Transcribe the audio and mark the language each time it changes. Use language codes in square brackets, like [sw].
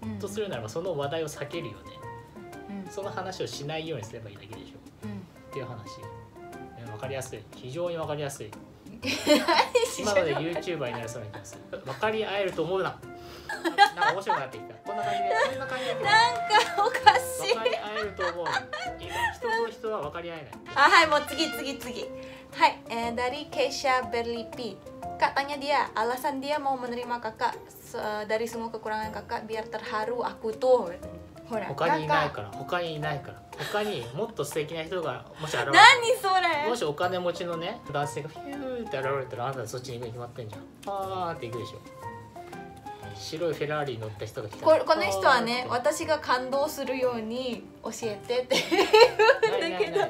[ja] とするならばその話題を避けるよね。その話をしないようにすればいいだけでしょ。っていう話。分かりやすい。非常に分かりやすい。 今まで YouTuber になりそうな気がする。 分かり合えると思うな。なんか面白くなってきた。こんな感じで、こんな感じで。なんかおかしい。分かり合えると思う。人と人は分かり合えない。あ、はい、もう次。 [id] はい、dari Keisha Berlipi。 Kak, tanya dia, alasan dia mau menerima kakak dari semua kekurangan kakak biar terharu aku tuh. [ja] ほら、他にいないから、他にいないから。他にもっと素敵な人がもし現れた。何それ？もしお金持ちのね、男性がフューって現れたら、あなたはそっちに行くに決まってんじゃん。あーって行くでしょ。白いフェラーリ乗った人が来た。この人はね、私が感動するように教えてって言うんだけど。